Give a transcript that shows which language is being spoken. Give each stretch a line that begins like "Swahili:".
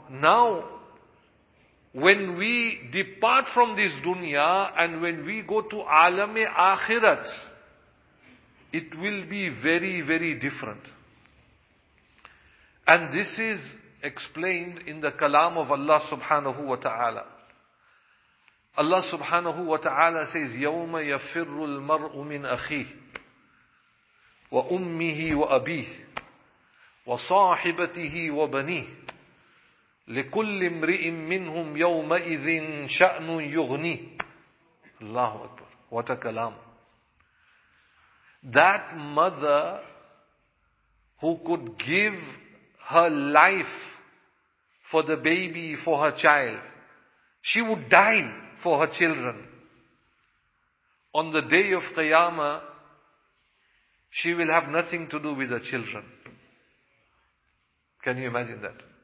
English: Now, when we depart from this dunya and when we go to alame akhirat, it will be very, very different. And this is explained in the kalam of Allah subhanahu wa ta'ala.
Arabic: Allah subhanahu wa ta'ala says, يَوْمَ يَفِرُّ الْمَرْءُ مِنْ أَخِيهِ وَأُمِّهِ وَأَبِيهِ وَصَاحِبَتِهِ وَبَنِيهِ لِكُلِّ امْرِئٍ مِّنْهُمْ يَوْمَئِذٍ شَأْنٌ يُغْنِيهِ.
English: Allah Akbar. What a kalam. That mother who could give her life for the baby, for her child, she would die for her children. On the day of Qiyamah, she will have nothing to do with her children. Can you imagine that?